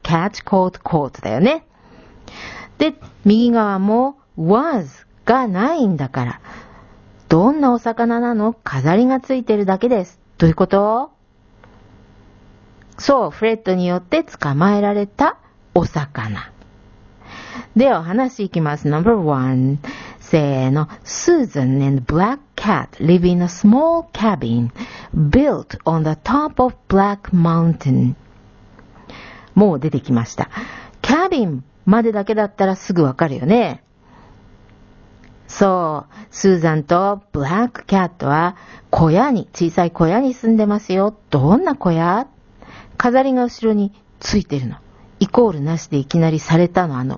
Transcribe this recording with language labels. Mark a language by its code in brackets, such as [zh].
[en] catch, caught, caught [ja] だよね。で、右側も was がないんだから。どんなお魚なの？飾りがついてるだけです。どういうこと？そう、フレットによって捕まえられたお魚。では、話いきます。 [en] Number one。 [ja] せーの。 [en] Susan and Black Cat live in a small cabin built on the top of Black Mountain。 [ja] もう出てきました。キャビンまでだけだったらすぐわかるよね。そう、スーザンとブラックキャットは小さい小屋に住んでますよ。どんな小屋？飾りが後ろについてるの。イコールなしでいきなりされたの。